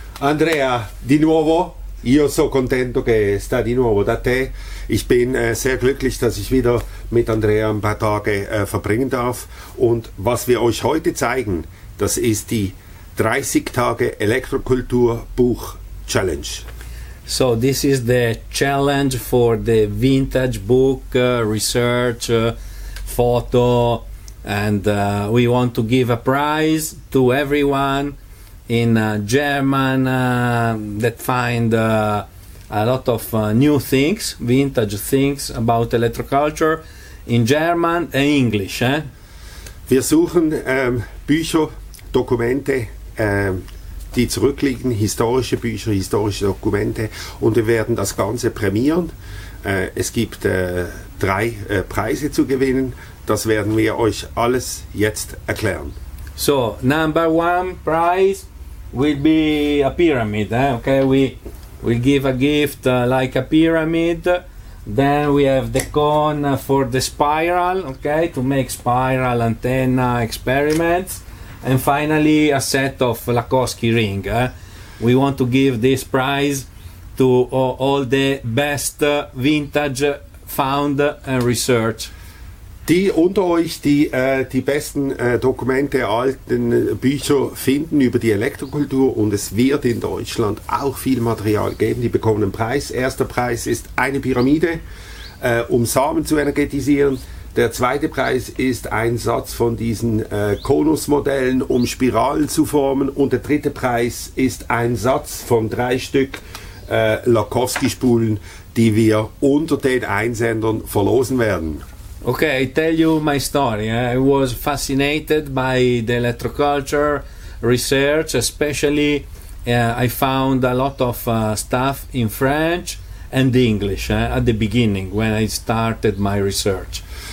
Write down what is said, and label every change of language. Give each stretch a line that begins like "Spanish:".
Italian: Andrea, di nuovo, io so contento che sta di nuovo da te.
German: Ich bin sehr glücklich, dass ich wieder mit Andrea ein paar Tage verbringen darf. Und was wir euch heute zeigen, das ist die 30 Tage Elektrokultur Buch Challenge.
English: So this is the challenge for the vintage book research photo, and we want to give a prize to everyone in German that find a lot of new things, vintage things about electroculture in German and English.
German: Wir suchen Bücher, Dokumente, die zurückliegen, historische Bücher, historische Dokumente, und wir werden das Ganze prämieren. Es gibt drei Preise zu gewinnen. Das werden wir euch alles jetzt erklären.
English: So, number one prize will be a pyramid. Okay, we give a gift like a pyramid. Then we have the cone for the spiral, okay, to make spiral antenna experiments. And finally, a set of Lakowski ring. We want to give this prize to all the best vintage found and research.
German: Die unter euch, die die besten Dokumente, alten Bücher finden über die Elektrokultur, und es wird in Deutschland auch viel Material geben, die bekommen einen Preis. Erster Preis ist eine Pyramide, um Samen zu energetisieren. Der zweite Preis ist ein Satz von diesen Konusmodellen, um Spiralen zu formen. Und der dritte Preis ist ein Satz von drei Stück Lakowski-Spulen, die wir unter den Einsendern verlosen werden.
English: Okay, I tell you my story. I was fascinated by the electroculture research, especially I found a lot of stuff in French and English at the beginning when I started my research.